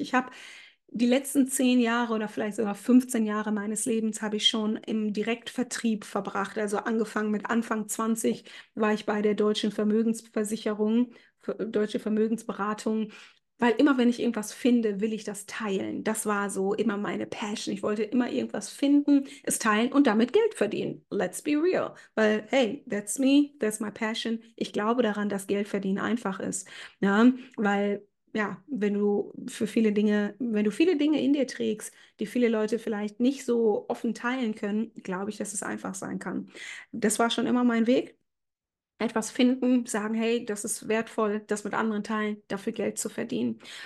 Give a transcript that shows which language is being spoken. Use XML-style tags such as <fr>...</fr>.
<de>Ich habe die letzten 10 Jahre oder vielleicht sogar 15 Jahre meines Lebens habe ich schon im Direktvertrieb verbracht. Also angefangen mit Anfang 20 war ich bei der Deutschen Vermögensversicherung, Deutsche Vermögensberatung. Weil immer, wenn ich irgendwas finde, will ich das teilen. Das war so immer meine Passion. Ich wollte immer irgendwas finden, es teilen und damit Geld verdienen.</de> <en>Let's be real. Weil, hey, that's me, that's my passion.</en> <de>Ich glaube daran, dass Geld verdienen einfach ist. Ja? Weil, ja, wenn du für viele Dinge, wenn du viele Dinge in dir trägst, die viele Leute vielleicht nicht so offen teilen können, glaube ich, dass es einfach sein kann. Das war schon immer mein Weg. Etwas finden, sagen, hey, das ist wertvoll, das mit anderen teilen, dafür Geld zu verdienen.</de>